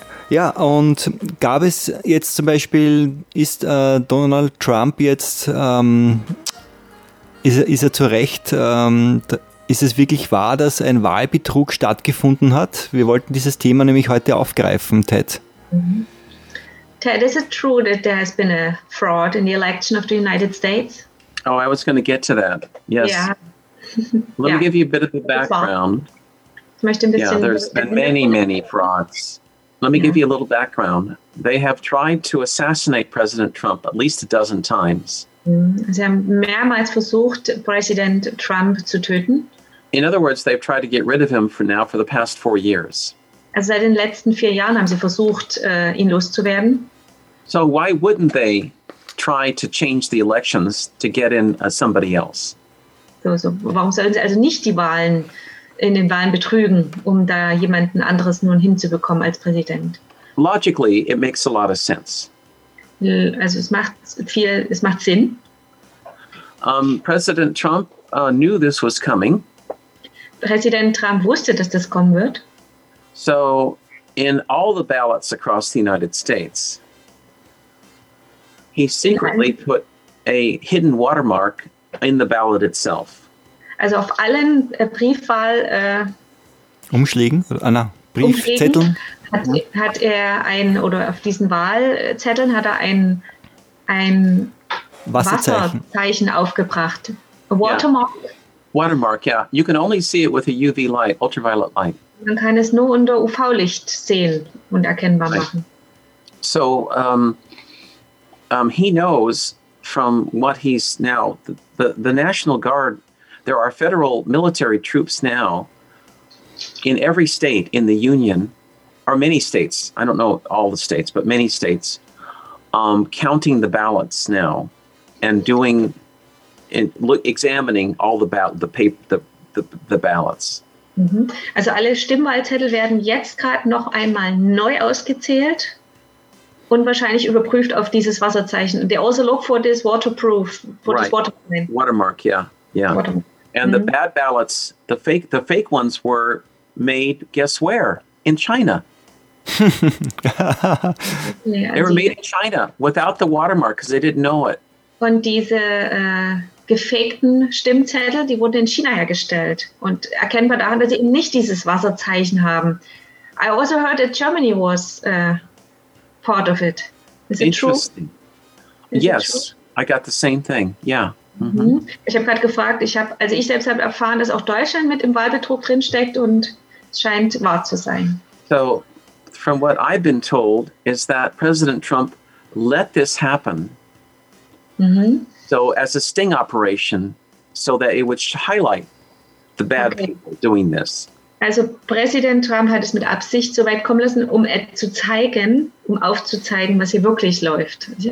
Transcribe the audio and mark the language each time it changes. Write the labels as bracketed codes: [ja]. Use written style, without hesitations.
[de] Ja, und gab es jetzt zum Beispiel, ist Donald Trump jetzt, ist er zu Recht, ist es wirklich wahr, dass ein Wahlbetrug stattgefunden hat? Wir wollten dieses Thema nämlich heute aufgreifen, Ted. [en] Ted, is it true that there has been a fraud in the election of the United States? Oh, I was going to get to that. Yes. Yeah. Let me give you a bit of the background. There's been many, many frauds. Let me give you a little background. They have tried to assassinate President Trump at least a dozen times. [de] Sie haben mehrmals versucht, Präsident Trump zu töten. [en] In other words, they've tried to get rid of him for the past 4 years. [de] Also seit den letzten 4 Jahren haben sie versucht, ihn loszuwerden. [en] So why wouldn't they try to change the elections to get in somebody else? [de] So warum sollen sie also nicht die Wahlen in den Wahlen betrügen, um da jemanden anderes nun hinzubekommen als Präsident? [en] Logically, it makes a lot of sense. [de] Also es macht Sinn. [en] President Trump knew this was coming. [de] Präsident Trump wusste, dass das kommen wird. [en] So in all the ballots across the United States, he secretly put a hidden watermark in the ballot itself. [de] Also auf allen Briefwahl Umschlägen? Anna, Briefzetteln? Hat er ein, oder auf diesen Wahlzetteln hat er ein Wasserzeichen aufgebracht. [en] A watermark. Yeah. Watermark, yeah. You can only see it with a UV light, ultraviolet light. [de] Man kann es nur unter UV-Licht sehen und erkennbar machen. [en] So he knows from what he's now, the National Guard, there are federal military troops now in every state in the Union, or many states, I don't know all the states, but many states, counting the ballots now and doing and look, examining all the ballots. [de] Also alle Stimmwahlzettel werden jetzt gerade noch einmal neu ausgezählt und wahrscheinlich überprüft auf dieses Wasserzeichen. [en] They also look for this waterproof, for right. this watermark. Watermark, yeah, yeah. Watermark. And the bad ballots, the fake ones were made, guess where? In China. They were made in China without the watermark because they didn't know it. [de] Und diese gefakten Stimmzettel, die wurden in China hergestellt und erkennbar daran, dass sie eben nicht dieses Wasserzeichen haben. [en] I also heard that Germany was part of it. Is it true? Yes, I got the same thing. Yeah. Mm-hmm. [de] Ich habe gerade gefragt, ich selbst habe erfahren, dass auch Deutschland mit im Wahlbetrug drinsteckt und es scheint wahr zu sein. [en] So, from what I've been told, is that President Trump let this happen. So as a sting operation, so that it would highlight the bad people doing this. [de] Also Präsident Trump hat es mit Absicht so weit kommen lassen, um aufzuzeigen, was hier wirklich läuft.